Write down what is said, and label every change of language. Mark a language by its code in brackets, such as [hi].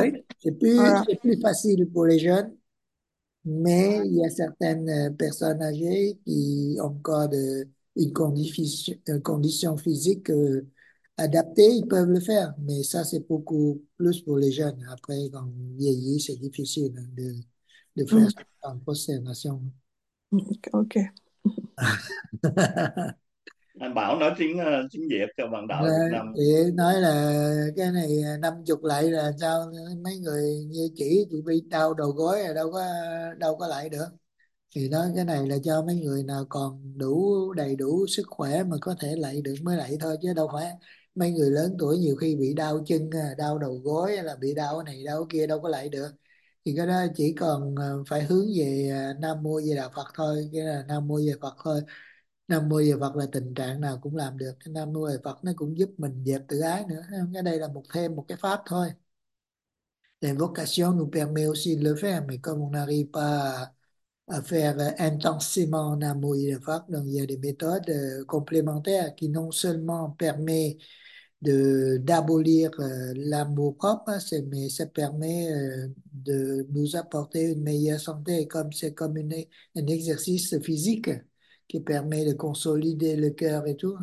[fr] Oui, c'est plus facile pour les jeunes, mais il y a certaines personnes âgées qui ont encore une condition physique adaptée, ils peuvent le faire. Mais ça, c'est beaucoup plus pour les jeunes. Après, quand on vieillit, c'est difficile de faire en prosternation. Ok. [vi] Anh Bảo nói tiếng Việt cho bạn đạo Việt Nam. Chị nói là cái này 50 lại là sao, mấy người như chị bị đau đầu gối là đâu có lại được. Thì đó, cái này là cho mấy người nào còn đầy đủ sức khỏe mà có thể lại được mới lại thôi, chứ đâu phải mấy người lớn tuổi nhiều khi bị đau chân, đau đầu gối là bị đau này đau kia đâu có lại được. Thì cái đó chỉ còn phải hướng về Nam Mô A Di Đà Phật thôi, cái là Nam Mô A Di Đà Phật thôi. Nam Mô A Di Đà Phật là tình trạng nào cũng làm được. Nam Mô A Di Đà Phật nó cũng giúp mình dẹp tự ái nữa. Cái đây là một thêm một cái pháp thôi. [fr] L'invocation nous permet aussi de le faire, mais comme on n'arrive pas à faire intensément Nam Mô A Di Đà Phật, donc il y a des méthodes complémentaires qui non seulement permet d'abolir l'amour propre, mais ça permet de nous apporter une meilleure santé, comme c'est comme un exercice physique qui permet de consolider le cœur et tout.